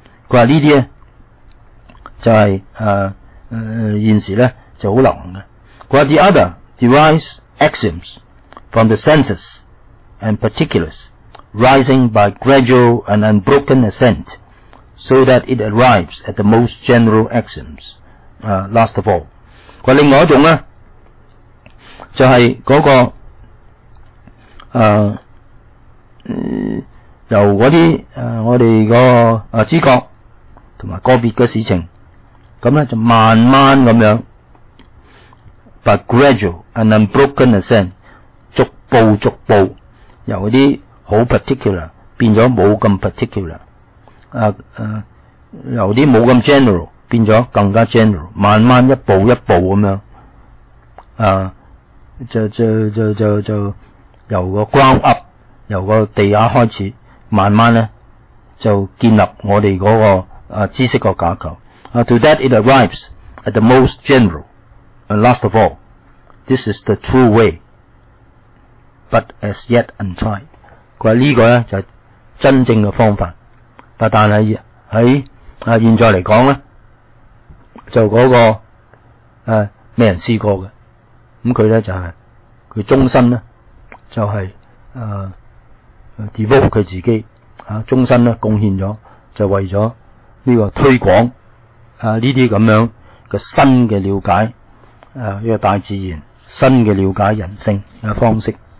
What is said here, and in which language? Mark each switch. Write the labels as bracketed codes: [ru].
[yue] 佢話呢啲咧就係現時咧就好流行嘅。佢話 [en] the other derives axioms from the senses and particulars rising by gradual and unbroken ascent so that it arrives at the most general axioms last of all。 [yue] 佢另外一種咧就係嗰個由嗰啲我哋個知覺同埋個別嘅事情，咁咧就慢慢咁樣 ， [en] by gradual and unbroken ascent， [yue] 逐步逐步由嗰啲好 particular 變咗冇咁 particular，由啲冇咁 general 變咗更加 general， 慢慢一步一步咁樣，就由個 [en] ground up。 [yue] 由個地下開始，慢慢呢就建立我哋嗰、那個知識個架構。 [en] To that it arrives at the most general and last of all, this is the true way, but as yet untried。 [yue] 佢話呢個呢就係真正嘅方法，但係喺現在嚟講呢就嗰、那個未人試過嘅。咁佢呢就係、是、佢終身呢就係、是develop 佢自己終身咧貢獻咗，就為咗呢個推廣呢啲咁樣嘅新嘅了解呢個大自然，新嘅了解人性嘅方式。